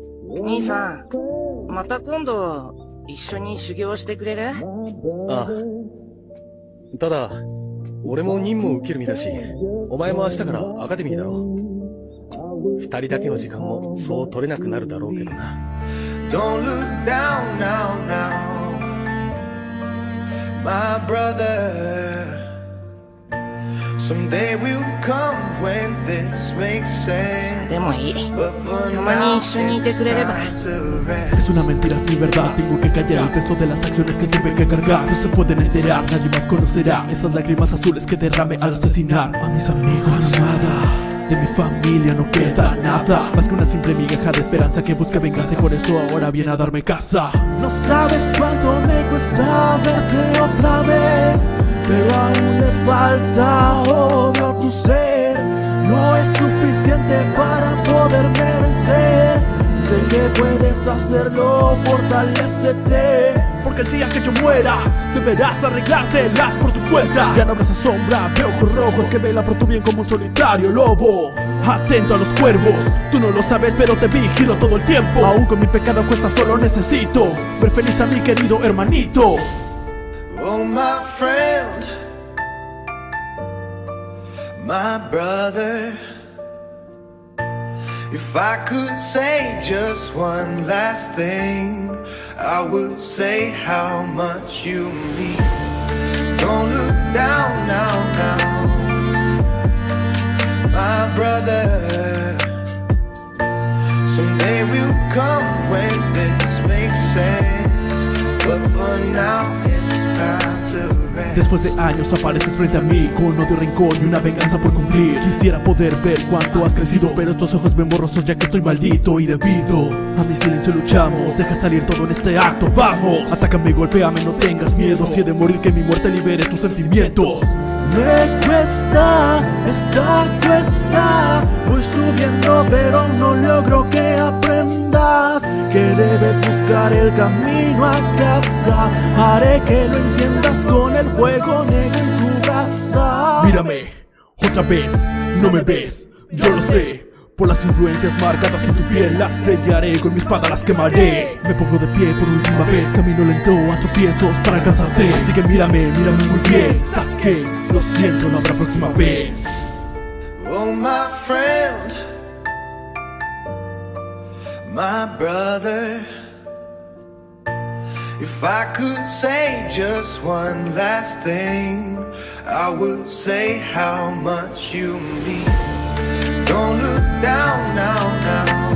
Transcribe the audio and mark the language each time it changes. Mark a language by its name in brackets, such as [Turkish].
[Japanese] 兄さん、また今度一緒に修行してくれる？ああ。ただ、俺も任務を受ける身だし、お前も明日からアカデミーだろ。二人だけの時間もそう取れなくなるだろうけどな。 [English] Don't look down now now, my brother. Someday we'll come when this makes sense. [Japanese] でもいい。たまに一緒にいてくれれば。 [Spanish] Es una mentira, es mi verdad. Tengo que callar el peso de las acciones que tuve que cargar. No se pueden enterar, nadie más conocerá esas lágrimas azules que derramé al asesinar a mis amigos. Nada. De mi familia no queda nada Más que una simple migaja de esperanza Que busca venganza y por eso ahora viene a darme casa No sabes cuánto me cuesta verte otra vez Pero aún le falta odio a tu ser No es suficiente para poderme vencer Sé que puedes hacerlo, fortalécete Porque el día que yo muera Deberás arreglártelas por tu cuenta Ya no habrás sombra de ojos rojos Que vela por tu bien como un solitario lobo Atento a los cuervos Tú no lo sabes pero te vigilo todo el tiempo Aún con mi pecado cuesta solo necesito Ver feliz a mi querido hermanito [English] Oh my friend My brother If I could say just one last thing I would say how much you mean Don't look down now, now My brother Someday we'll come when this makes sense But for now it's time to [Spanish] Después de años apareces frente a mí Con odio, rencor y una venganza por cumplir Quisiera poder ver cuánto has crecido Pero estos ojos ven borrosos ya que estoy maldito Y debido a mi silencio luchamos Deja salir todo en este acto, vamos Atácame y golpéame, no tengas miedo Si he de morir, que mi muerte libere tus sentimientos Me cuesta, esta cuesta Voy subiendo pero no logro que aprendas Que debes buscar el camino a casa Haré que lo entiendas con el fuego negro en su brasa Mírame, otra vez, no me ves, yo lo sé Por las influencias marcadas en tu piel Las sellaré, con mi espada las quemaré Me pongo de pie por última vez Camino lento a tropiezos para alcanzarte Así que mírame, mírame muy bien Sasuke, lo siento, no habrá próxima vez [English] Oh my friend My brother If I could say just one last thing I would say how much you mean Don't look down now now